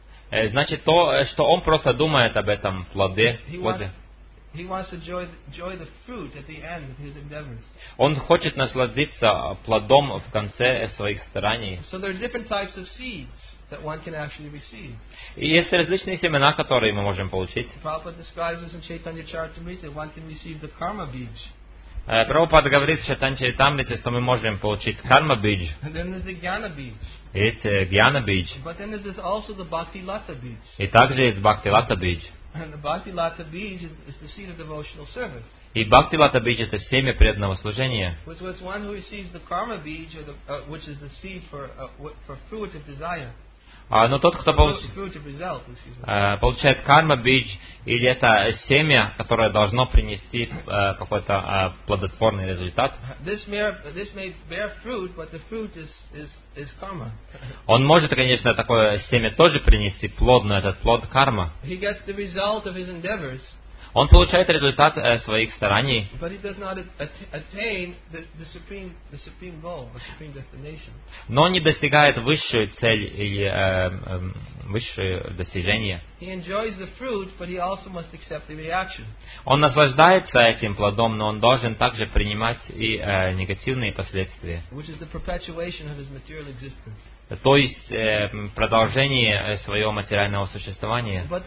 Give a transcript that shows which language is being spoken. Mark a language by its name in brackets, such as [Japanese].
[Russian] Значит, то, что он просто думает об этом плоде. [English] He wants to enjoy the fruit at the end of his endeavors. [Russian] Он хочет насладиться плодом в конце своих стараний. [English] So there are different types of seeds that one can actually receive. [Russian] И есть различные семена, которые мы можем получить. [English] Prabhupada describes this in Chaitanya Charitamrita that one can receive the karma bija. [Russian] Prabhupada говорит в Chaitanya Charitamrita, что мы можем получить karma bija. [English] And then there's the jnana bija. [Russian] Есть jnana bija. [English] But then there's also the bhakti lata bija. [Russian] И также есть bhakti lata bija. [English] And the bhakti lata bija is the seed of devotional service. [Russian] И бхакти лата бидж это семя преданного служения. [English] Which was one who receives the karma bija, which is the seed for fruit of desire. [Russian] Но тот, кто получает карма бидж, или это семя, которое должно принести какой-то плодотворный результат. [English] This may bear fruit, but the fruit is karma. [Russian] Он может, конечно, такое семя тоже принести плод, но этот плод карма. [English] He gets the result of his endeavors. [Russian] Он получает результат своих стараний. [English] But he does not attain the supreme goal, the supreme destination. [Russian] Но он не достигает высшую цель или высшее достижение. [English] He enjoys the fruit, but he also must accept the reaction. [Russian] Он наслаждается этим плодом, но он должен также принимать и негативные последствия. [English] Which is the perpetuation of his material existence. [Russian] То есть продолжение своего материального существования.